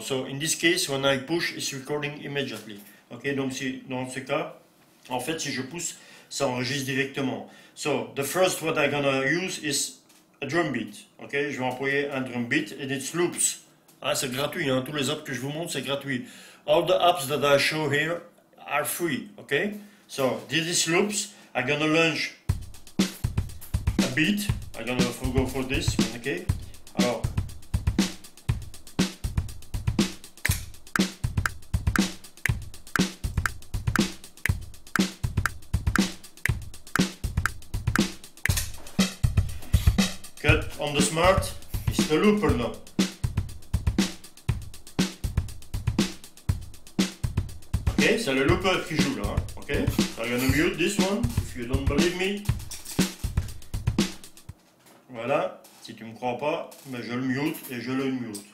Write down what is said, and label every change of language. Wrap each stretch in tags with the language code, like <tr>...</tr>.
<en>So, in this case, when I push, it's recording immediately. Ok?</en> <fr>Donc si, dans ce cas, en fait, si je pousse, ça enregistre directement.</fr> <en>So, the first what I'm gonna use is a drum beat, ok?</en> <fr>Je vais employer un drum beat</fr> <en>and it's loops.</en> <fr>Ah, c'est gratuit, hein? Tous les apps que je vous montre, c'est gratuit.</fr> <en>All the apps that I show here are free, ok? So, this loops, I'm gonna launch a beat. I'm gonna go for this, ok? Alors. Cut on the smart, it's the looper now. Okay,</en> <fr>c'est le looper qui joue là.</fr> <en>Okay, so I'm gonna mute this one if you don't believe me.</en> <fr>Voilà, si tu me crois pas, mais je le mute et je le mute.</fr>